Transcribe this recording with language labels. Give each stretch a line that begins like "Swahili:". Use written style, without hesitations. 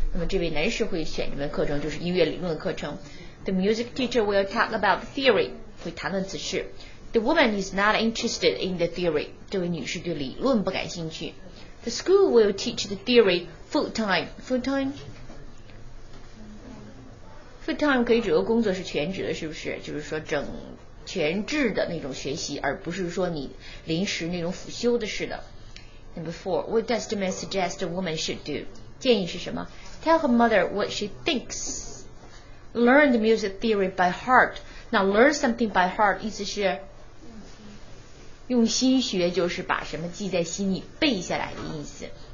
Chinese: 那么这位男士会选一门课程，就是音乐理论的课程。
English: The music teacher will talk about the theory.
Chinese: 会谈论此事。
English: The woman is not interested in the theory.
Chinese: 这位女士对理论不感兴趣。
English: The school will teach the theory full time. Full time. Full time
Chinese: 可以指的工作是全职的，是不是？就是说整全制的那种学习，而不是说你临时那种辅修的似的。
English: Number four, what does the man suggest a woman should do?
Chinese: 建议是什么
English: ？Tell her mother what she thinks. Learn the music theory by heart. Now learn something by heart
Chinese: 意思是用心学，就是把什么记在心里背下来的意思。